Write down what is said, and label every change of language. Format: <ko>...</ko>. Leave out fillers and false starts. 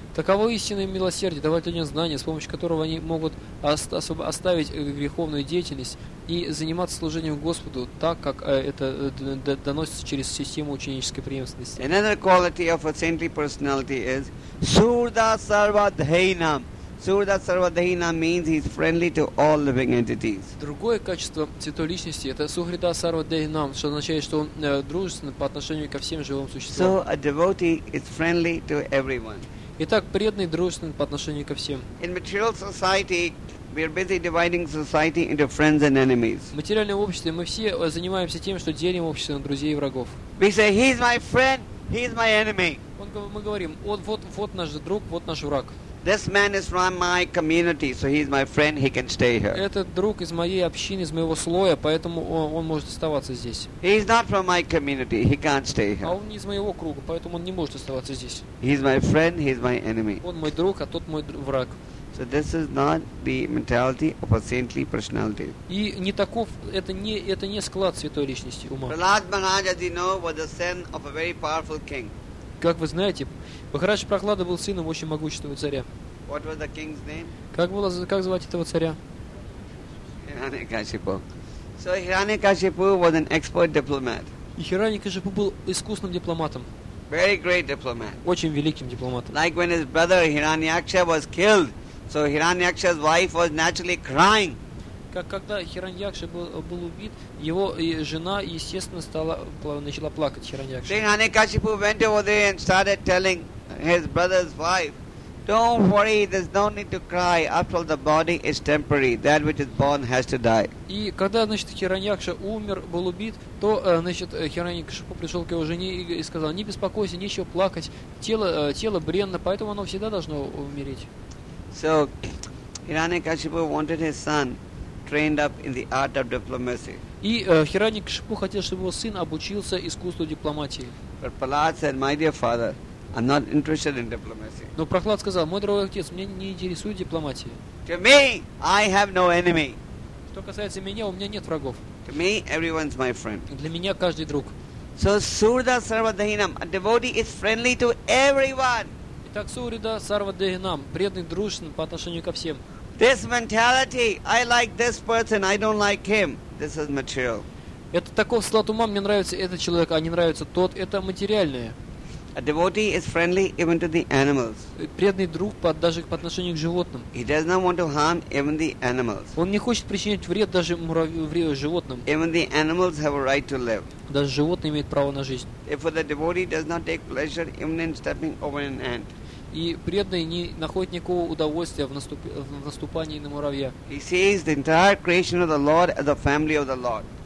<ru>Таково истинное милосердие, давать людям знания, с помощью которого они могут оставить греховную деятельность и заниматься служением Господу так, как это доносится через систему ученической преемственности.</ru> <en>Another quality of a saintly personality is Surda Sarvadhainam. Surda Sarvadhainam means he's friendly to all living entities.</en> <ru>Другое качество святой личности это Сухрида Сарвадхайнам, что означает, что он дружественный по отношению ко всем живым существам.</ru> <en>So a devotee is friendly to everyone.</en> <ru>Итак, преданный дружественный по отношению ко всем.</ru> <en>In material society, we are busy dividing society into friends and enemies.</en> <ru>В материальном обществе мы все занимаемся тем, что делим общество на друзей и врагов.</ru> <en>We say he's my friend, he's my enemy.</en> <ru>Мы говорим, вот наш друг, вот наш враг.</ru> <en>This man is from my community, so he's my friend. He can stay here.</en> <ru>Этот друг из моей общины, из моего слоя, поэтому он может оставаться здесь.</ru> <en>He's not from my community. He can't stay here.</en> <ru>А он не из моего круга, поэтому он не может оставаться здесь.</ru> <en>He's my friend. He's my enemy.</en> <ru>Он мой друг, а тот мой враг.</ru> <en>So this is not the mentality of a saintly personality.</en> <ru>И не таков это не склад святой личности ума.</ru> <en>Prahlad Maharaj, as you know, was the son of a very powerful king.</en> <ru>Как вы знаете, Махарадж Прахлада был сыном очень могущественного царя.</ru> <en>What was the king's name?</en> <ru>Как звать этого царя?</ru> <en>Hiranyakashipu. So Hiranyakashipu was an expert diplomat.</en> <ru>И Hiranyakashipu был искусным дипломатом.</ru> <en>Very great diplomat.</en> <ru>Очень великим дипломатом.</ru> <en>Like when his brother Hiranyaksha was killed, so Hiranyaksha's wife was naturally crying.</en> <ru>Как когда Хираньякша был убит, его жена естественно начала плакать. Хираньякша.</ru> <en>Then Hiranyakashipu went over there and started telling his brother's wife, "Don't worry, there's no need to cry. After all, the body is temporary. That which is born has to die."</en> <ru>И когда Хираньякша умер, был убит, то Хираньякшипу пришел к его жене и сказал: "Не беспокойся, нечего плакать. Тело бренно, поэтому оно всегда должно умереть."</ru> <en>So Hiranyakashipu wanted his son trained up in the art of diplomacy.</en> <ru>И Хираньякшипу хотел, чтобы его сын обучился искусству дипломатии.</ru> <en>But Prahlad said, "My dear father, I'm not interested in diplomacy."</en> <ru>Но Прохлад сказал: "Мой дорогой отец, меня не интересует дипломатия."</ru> <en>To me, I have no enemy.</en> <ru>Что касается меня, у меня нет врагов.</ru> <en>To me, everyone's my friend.</en> <ru>Для меня каждый друг.</ru> <en>So Surda Sarvadhinam, a devotee is friendly to everyone.</en> <ru>Итак, Сурида Сарвадхинам, преданный дружен по отношению ко всем.</ru> <en>This mentality, I like this person, I don't like him. This is material.</en> <ru>Это такой склад ума, мне нравится этот человек, а не нравится тот. Это материальное.</ru> <en>A devotee is friendly even to the animals.</en> <ru>Преданный друг даже по отношению к животным.</ru> <en>He does not want to harm even the animals.</en> <ru>Он не хочет причинить вред даже муравью животным.</ru> <en>Even the animals have a right to live.</en> <ru>Даже животные имеют право на жизнь.</ru> <en>If the devotee does not take pleasure even in stepping over an ant.</en> <ru>И преданный не находит никакого удовольствия в наступании на муравья.</ru> <en>He sees the entire creation of the Lord as the family of the Lord.</en>